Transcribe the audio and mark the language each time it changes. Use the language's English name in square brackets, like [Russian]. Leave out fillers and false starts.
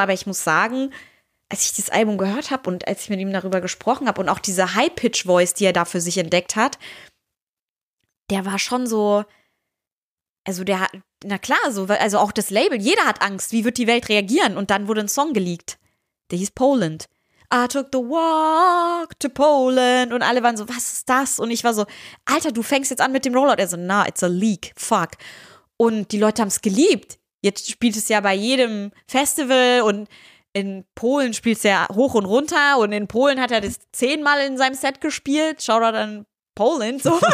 [German] Aber ich muss sagen, als ich dieses Album gehört habe und als ich mit ihm darüber gesprochen habe und auch diese High-Pitch-Voice, die er da für sich entdeckt hat, der war schon so, also der hat, na klar, so, also auch das Label, jeder hat Angst, wie wird die Welt reagieren? Und dann wurde ein Song geleakt, der hieß Poland. [English] I took the walk to Poland. [German] Und alle waren so, was ist das? Und ich war so, Alter, du fängst jetzt an mit dem Rollout. Er so, [English] nah, it's a leak, fuck. [German] Und die Leute haben es geliebt. Jetzt spielt es ja bei jedem Festival und in Polen spielt es ja hoch und runter. Und in Polen hat er das 10-mal in seinem Set gespielt. Shoutout an Poland. So.